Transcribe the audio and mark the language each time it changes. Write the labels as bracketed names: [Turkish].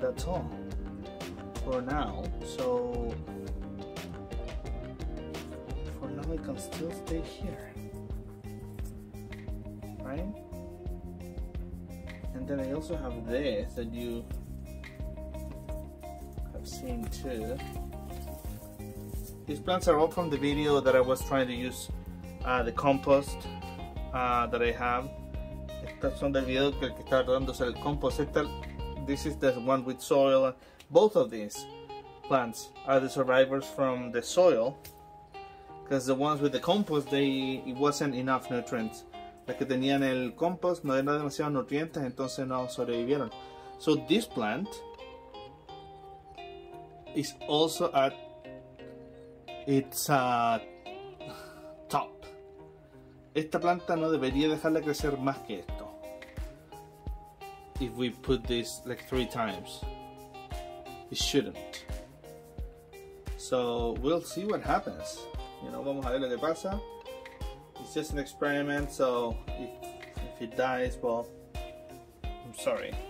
[English] That's all for now. So for now, it can still stay here, right? And then I also have this that you have seen too. These plants are all from the video that I was trying to use the compost that I have. [Spanish] Estas son del video que está tratando de hacer el compost. [English] Esta, this is the one with soil. Both of these plants are the survivors from the soil, because the ones with the compost, it wasn't enough nutrients. [Spanish] La que tenían el compost no era demasiado nutrientes, entonces no sobrevivieron. [English] So this plant is also at its top. [Spanish] Esta planta no debería dejarla crecer más que esto. [English] If we put this like three times, it shouldn't. So we'll see what happens. You know, [Spanish] vamos a ver lo que pasa. [English] It's just an experiment, so if it dies, well, I'm sorry.